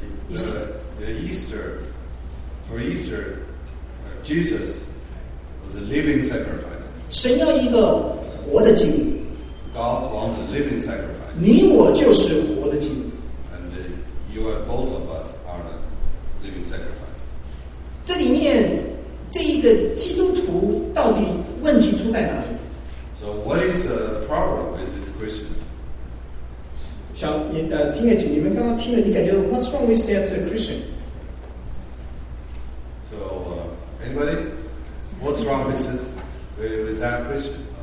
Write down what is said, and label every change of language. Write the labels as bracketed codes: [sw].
[en] The Easter for Easter, Jesus was a living sacrifice. [zh] 神要一个活的祭物。 [en] God wants a living sacrifice. [zh] 你我就是活的祭物。 [en] You are both of us are the living sacrifice. [zh] 这里面这一个基督徒到底问题出在哪里？ [en] So what is the problem with this Christian? [zh] 小你听了，你们刚刚听了，你感觉 [en] what's wrong with that Christian? So anybody, what's wrong with this with that Christian?